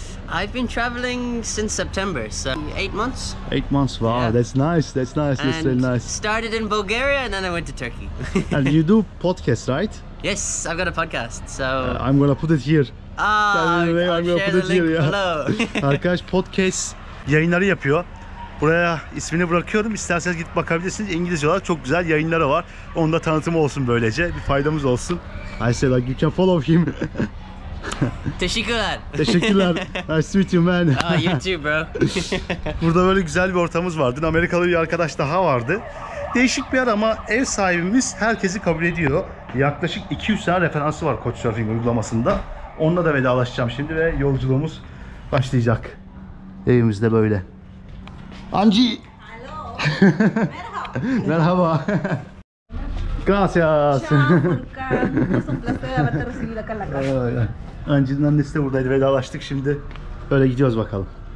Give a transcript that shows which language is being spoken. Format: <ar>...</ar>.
<en>I've been traveling since September, so 8 months. 8 months, wow, yeah. That's nice. That's really nice. Started in Bulgaria and then I went to Turkey. And you do podcasts, right? Yes, I've got a podcast, so... I'm gonna put it here. I'll share the link below.</en> <tr>Arkadaş podcast yayınları yapıyor. Buraya ismini bırakıyorum. İsterseniz gidip bakabilirsiniz. İngilizce olarak çok güzel yayınları var. Onun da tanıtımı olsun böylece. Bir faydamız olsun.</tr> <en>I say like you can follow him.</en> <tr>Teşekkürler. Teşekkürler.</tr> <en>Nice to meet you, man. You too, bro.</en> <tr>Burada böyle güzel bir ortamımız vardı. Amerikalı bir arkadaş daha vardı. Değişik bir yer ama ev sahibimiz herkesi kabul ediyor. Yaklaşık 200 tane referansı var Couchsurfing uygulamasında. Onunla da vedalaşacağım şimdi ve yolculuğumuz başlayacak. Evimiz de böyle. Anji.</tr> <en>Hello.</en> <tr>Merhaba. Merhaba. Gracias.</tr> <es>Ciao, Furkan. Es un placer haberte recibido acá en la casa.</es> <tr>Anji'nin annesi de buradaydı. Vedalaştık şimdi. Böyle gidiyoruz bakalım.</tr>